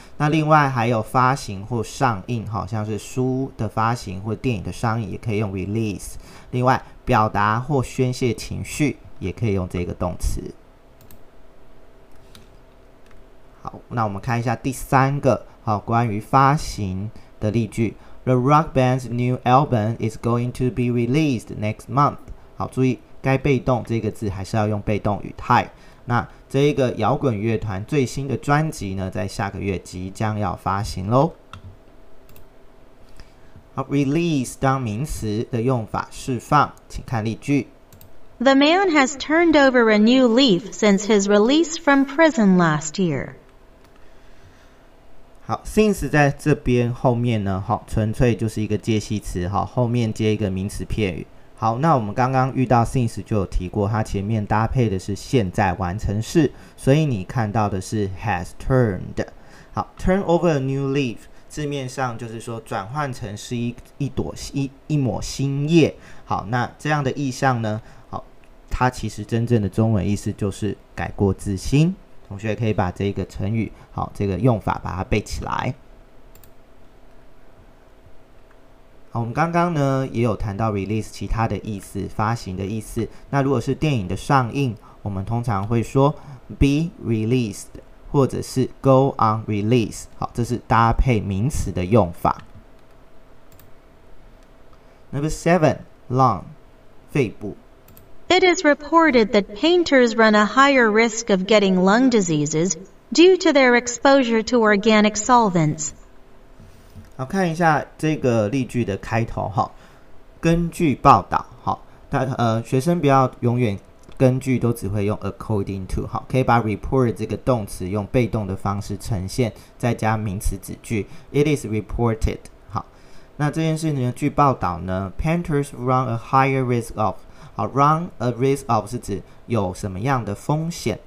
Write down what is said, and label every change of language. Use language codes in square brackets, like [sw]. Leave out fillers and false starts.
[zh] 那另外还有发行或上映，好像是书的发行或电影的上映，也可以用 release。另外表达或宣泄情绪也可以用这个动词。好，那我们看一下第三个，好，关于发行的例句。 [en] The rock band's new album is going to be released next month。 [zh] 好，注意该被动这个字还是要用被动语态。那这个摇滚乐团最新的专辑呢，在下个月即将要发行咯。好， release 当名词的用法，释放，请看例句。 [en] The man has turned over a new leaf since his release from prison last year。 [zh] 好， since 在这边后面呢，好，纯粹就是一个介系词，好，后面接一个名词片语。好，那我们刚刚遇到 since 就有提过，它前面搭配的是现在完成式，所以你看到的是 [en] has turned。 [zh] 好， [en] turn over a new leaf [zh] 字面上就是说转换成是 一朵新叶。好，那这样的意象呢，好，它其实真正的中文意思就是改过自新。同学可以把这个成语，好，这个用法把它背起来。好，我们刚刚呢也有谈到 release 其他的意思，发行的意思。那如果是电影的上映，我们通常会说 [en] be released [zh] 或者是 [en] go on release。 [zh] 好，这是搭配名词的用法。 [en] Number 7 lung [zh] 肺部。 [en] It is reported that painters run a higher risk of getting lung diseases due to their exposure to organic solvents. [zh] 好，看一下这个例句的开头，哦，根据报道，好，学生不要永远根据都只会用 [en] according to， [zh] 好，可以把 report 这个动词用被动的方式呈现，再加名词子句。 [en] It is reported。 [zh] 好，那这件事呢，据报道呢， [en] painters run a higher risk of， [zh] 好， [en] run a risk of [zh] 是指有什么样的风险。